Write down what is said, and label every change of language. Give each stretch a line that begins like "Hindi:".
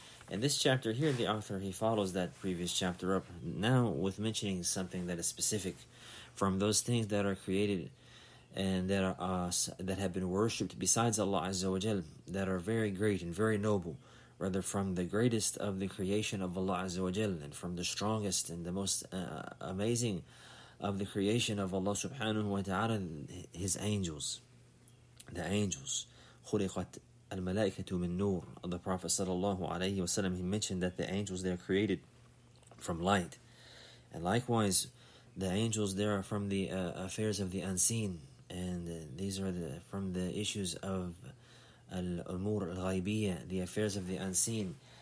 English: In this chapter here, the author, he follows that previous chapter up now with mentioning something that is specific from those things that are created and that are that have been worshipped besides Allah Azza wa Jal, that are very great and very noble, rather from the greatest of the creation of Allah Azza wa Jal, and from the strongest and the most amazing of the creation of Allah subhanahu wa ta'ala, His angels. The angels,
Arabic: خُلِقَتْ الْمَلَائِكَةُ مِنْ نُورٍ.
English: The Prophet sallallahu alayhi wa sallam, he mentioned that the angels, they are created from light. And likewise, the angels, they are from the affairs of the unseen. And these are from the issues of
Arabic: الْأُمُورِ الْغَيْبِيَّ,
English: the affairs of the unseen.